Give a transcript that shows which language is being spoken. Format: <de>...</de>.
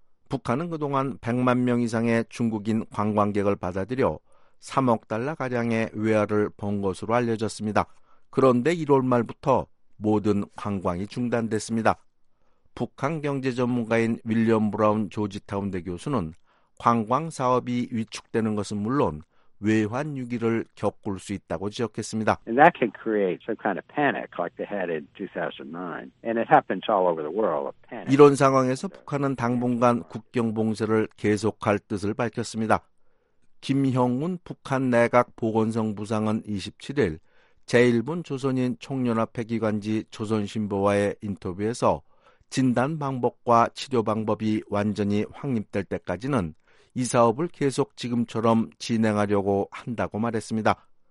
<ko>북한은 그동안 100만 명 이상의 중국인 관광객을 받아들여 3억 달러가량의 외화를 번 것으로 알려졌습니다. 그런데 1월 말부터 모든 관광이 중단됐습니다. 북한 경제 전문가인 윌리엄 브라운 조지타운 대 교수는 관광 사업이 위축되는 것은 물론 외환 위기를 겪을 수 있다고 지적했습니다.</ko> <en>And that can create some kind of panic like they had in 2009. And it happens all over the world. Panic.</en> <ko>이런 상황에서 북한은 당분간 국경 봉쇄를 계속할 뜻을 밝혔습니다. 김형운 북한 내각 보건성 부상은 27일 제1분 조선인 총연합회 기관지 조선신보와의 인터뷰에서 진단 방법과 치료 방법이 완전히 확립될 때까지는 이 사업을 계속 지금처럼 진행하려고 한다고 말했습니다.</ko>